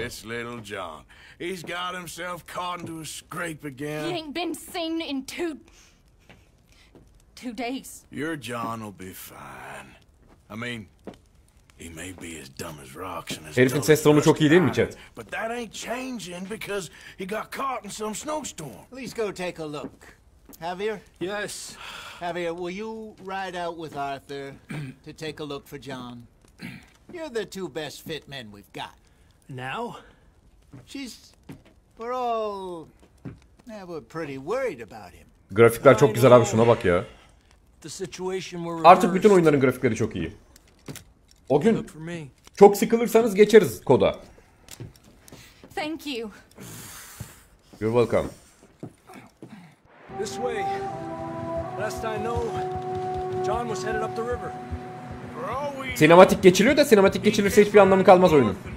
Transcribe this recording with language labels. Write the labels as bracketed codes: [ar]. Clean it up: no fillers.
[en] It's little John. He's got himself caught into a scrape again. He ain't been seen in two days. Your John will be fine. I mean, he may be as dumb as rocks and as dumb as [tr] Herifin ses tonu çok iyi değil mi chat? [en] But that ain't changing because he got caught in some snowstorm. Please go take a look. Javier? Yes. Javier, will you ride out with Arthur to take a look for John? You're the two best fit men we've got. Now? We're all we're pretty worried about him. [tr] Grafikler çok güzel abi, şuna bak ya. [en] The situation we're [tr] Artık bütün oyunların grafikleri çok iyi. O gün çok sıkılırsanız geçeriz koda. [en] Thank you. You're welcome. This way. Last I know, John was headed up the river. [tr] Sinematik geçiliyor da sinematik geçilirse hiçbir anlamı kalmaz oyunun.